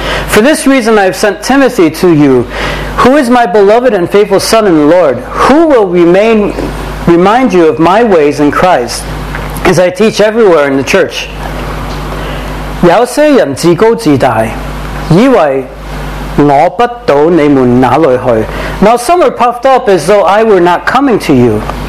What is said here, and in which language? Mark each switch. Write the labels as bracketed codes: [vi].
[en] For this reason I have sent Timothy to you, who is my beloved and faithful son in the Lord, who will remind you of my ways in Christ as I teach everywhere in the church. [zh] 有些人自高自大，以为我不到你们那里去。 [en] Now some are puffed up as though I were not coming to you.